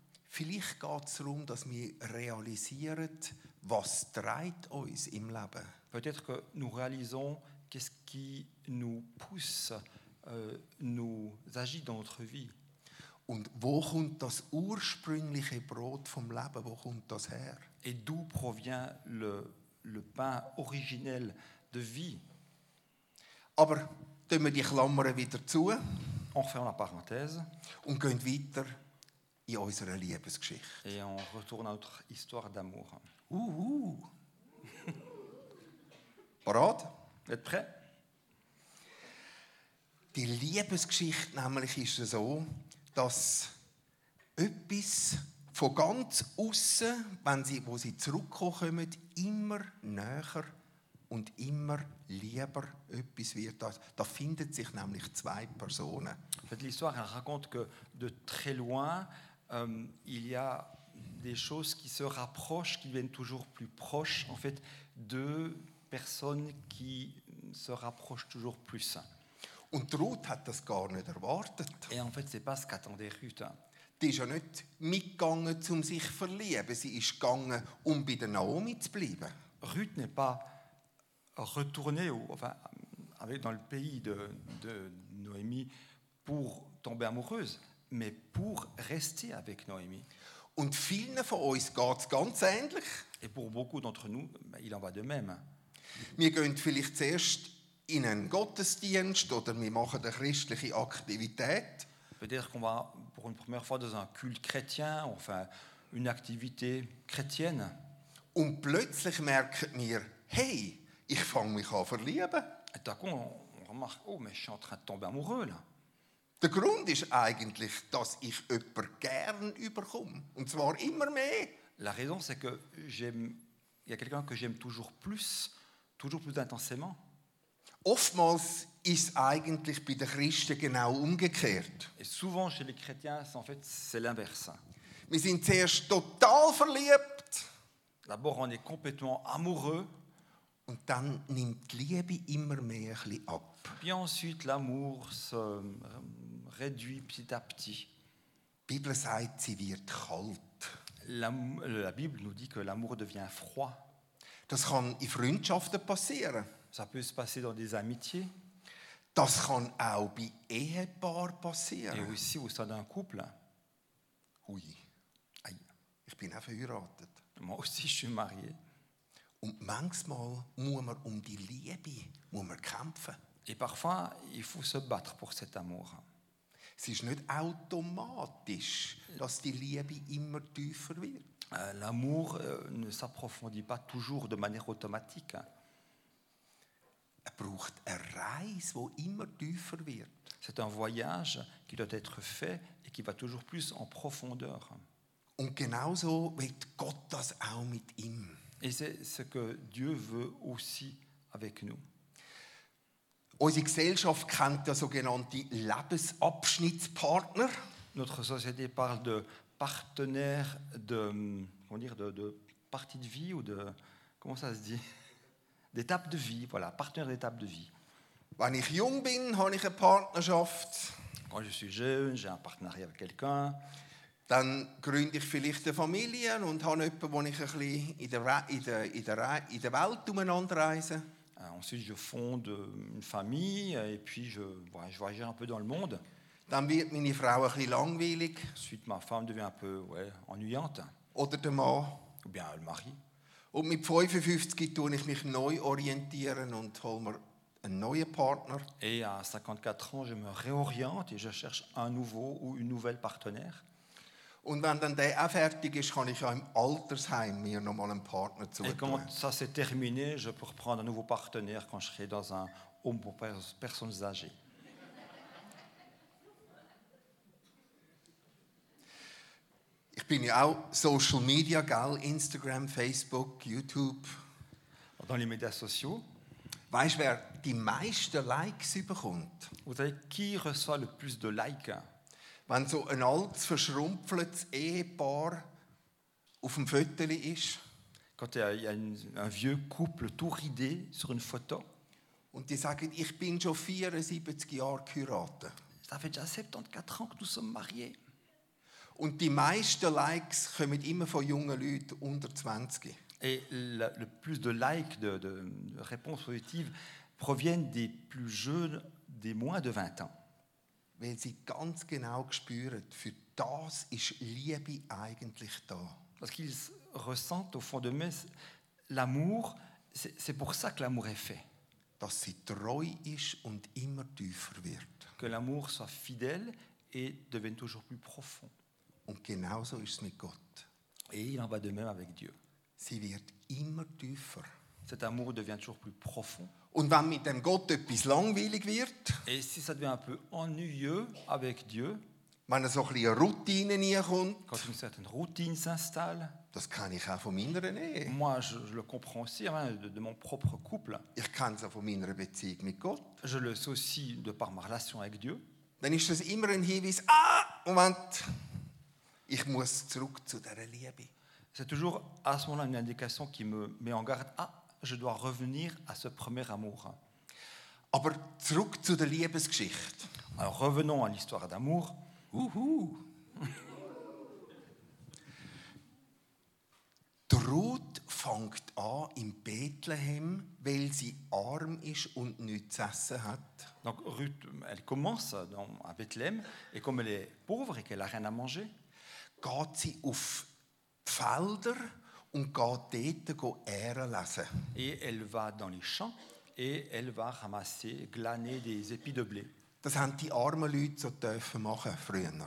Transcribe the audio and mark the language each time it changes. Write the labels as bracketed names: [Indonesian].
[German] Vielleicht geht es darum, dass wir realisieren, was treibt uns im Leben. [French] Peut-être que nous réalisons qu'est-ce qui nous pousse, nous agit dans notre vie. [German] Und wo kommt das ursprüngliche Brot vom Leben, wo kommt das her? [French] Et d'où provient le pain originel de vie? [German] Aber tun wir die Klammern wieder zu. [French] On ferme la parenthèse. [German] Und gehen weiter. In unserer Liebesgeschichte. [French] Et on retourne à notre histoire d'amour. [German] Parat? [French] Êtes prêt? [German] Die Liebesgeschichte nämlich ist so, dass etwas von ganz aussen, wo sie zurückkommen, immer näher und immer lieber etwas wird. Da finden sich nämlich zwei Personen. [French] L'histoire raconte que de très loin, il y a des choses qui se rapprochent, qui viennent toujours plus proches, en fait, de personnes qui se rapprochent toujours plus. [German] Und Ruth hat das gar nicht erwartet. [French] Et en fait, c'est pas ce qu'attendait Ruth. [German] Die ist ja nicht mitgegangen, um sich verlieben. Sie ist gegangen, um bei der Naomi zu bleiben. [French] Ruth n'est pas retournée, enfin, avec dans le pays de Noémie pour tomber amoureuse. Mais pour rester avec Noémie. [German] Und vielen von uns geht's ganz ähnlich. [French] Et pour beaucoup d'entre nous, il en va de même. [German] Wir gehen vielleicht zuerst in einen Gottesdienst oder wir machen eine christliche Aktivität. [French] Peut-être qu'on va pour une première fois dans un culte chrétien, enfin une activité chrétienne. [German] Und plötzlich merken wir, hey, ich fange mich an verlieben. [French] Et d'un coup, on remarque, oh, mais je suis en train de tomber amoureux là. [German] Der Grund ist eigentlich, dass ich jemanden gern überkomme. Und zwar immer mehr. [French] La raison, c'est que j'aime. Il y a quelqu'un que j'aime toujours plus intensément. [German] Oftmals ist eigentlich bei den Christen genau umgekehrt. [French] Et souvent chez les chrétiens, en fait, c'est l'inverse. [German] Wir sind zuerst total verliebt. [French] D'abord, on est complètement amoureux. [German] Und dann nimmt die Liebe immer mehr ein bisschen ab. [French] Puis ensuite, l'amour se réduit petit à petit. [German] Bible sagt, sie wird kalt. [French] La Bible nous dit que l'amour devient froid. [German] Das kann in Freundschaften passieren. [French] Ça peut se passer dans des amitiés. [German] Das kann auch bei Ehepaar passieren. [French] Et aussi au sein d'un couple. Oui. Aïe. [German] Ich bin auch verheiratet. [French] Moi aussi, je suis marié. [German] Und manchmal muss man um die Liebe kämpfen. [French] Et parfois, il faut se battre pour cet amour. [German] Es ist nicht automatisch, dass die Liebe immer tiefer wird. [French] L'amour ne s'approfondit pas toujours de manière automatique. [German] Er braucht eine Reise, die immer tiefer wird. [French] C'est un voyage qui doit être fait et qui va toujours plus en profondeur. [German] Und genauso wird Gott das auch mit ihm. [French] Et c'est ce que Dieu veut aussi avec nous. [German] Unsere Gesellschaft kennt ja sogenannte Lebensabschnittspartner. [French] Notre société parle de partenaires de, comment dire, de partie de vie ou de, comment ça se dit, d'étape de vie, voilà, partenaire d'étape de vie. [German] Wenn ich jung bin, habe ich eine Partnerschaft. [French] Quand je suis jeune, j'ai un partenariat avec quelqu'un. [German] Dann gründe ich vielleicht eine Familie und habe jemanden, wo ich ein bisschen in der Welt umeinander reise. [French] Ensuite, je fonde une famille et puis je voyage un peu dans le monde. [German] Dann wird meine Frau ein bisschen langweilig. [French] Ensuite, ma femme devient un peu ennuyante. [German] Oder der Mann. [French] Ou bien le mari. [German] Und mit 55 tue ich mich neu orientieren und hole mir einen neuen Partner. [French] Et à 54 ans, je me réoriente et je cherche un nouveau ou une nouvelle partenaire. [German] Und wenn dann der auch fertig ist, kann ich ja im Altersheim mir noch mal einen Partner zutun. [French] Et quand ça s'est terminé, je peux prendre un nouveau partenaire quand je serai dans un home pour personnes âgées. [German] Ich bin ja auch Social Media, gell? Instagram, Facebook, YouTube. [French] Dans les médias sociaux. [German] Weißt du, wer die meisten Likes überkommt? [French] Vous savez qui reçoit le plus de likes? [German] Wenn so ein altes, verschrumpfeltes Ehepaar auf dem Fötterli ist. [French] Quand il y a un vieux couple tout ridé sur une photo. [German] Und die sagen, ich bin schon 74 Jahre geheiratet. [French] Ça fait déjà 74 ans que nous sommes mariés. [German] Und die meisten Likes kommen immer von jungen Leuten unter 20. [French] Et le plus de likes, de réponses positives, proviennent des plus jeunes, des moins de 20 ans. [German] Weil sie ganz genau spüren, für das ist Liebe eigentlich da. [French] Parce qu'ils ressentent au fond de eux l'amour, c'est pour ça que l'amour est fait. [German] Dass sie treu ist und immer tiefer wird. [French] Que l'amour soit fidèle et devienne toujours plus profond. [German] Und genauso ist es mit Gott. [French] Et il en va de même avec Dieu. [German] Sie wird immer tiefer. [French] Cet amour devient toujours plus profond. [German] Und wenn mit dem Gott etwas langweilig wird, [French] et si ça devient un peu ennuyeux avec Dieu, [German] wenn er so ein bisschen Routine reinkommt, [French] quand une certaine routine s'installe, [German] das kann ich auch von meiner Ehe. [French] Moi, je le comprends aussi hein, de mon propre couple. [German] Ich kann es auch von meiner Beziehung mit Gott. [French] Je le sais aussi de par ma relation avec Dieu. [German] Dann ist das immer ein Hinweis, ah, Moment, ich muss zurück zu dieser Liebe. [French] C'est toujours à ce moment-là une indication qui me met en garde. Ah, je dois revenir à ce premier amour. [German] Aber zurück zu der Liebesgeschichte. [French] Alors revenons à l'histoire d'amour. Uhu. [German] Die Ruth fängt an in Bethlehem, weil sie arm ist und nichts zu essen hat. [French] Donc Ruth, elle commence à Bethlehem et comme elle est pauvre et qu'elle a rien à manger, [German] geht sie auf Felder und geht dort Ähren lesen. [French] Et elle va dans les champs et elle va ramasser, glaner des épis de blé. [German] Das haben die armen Leute so dürfen machen früher.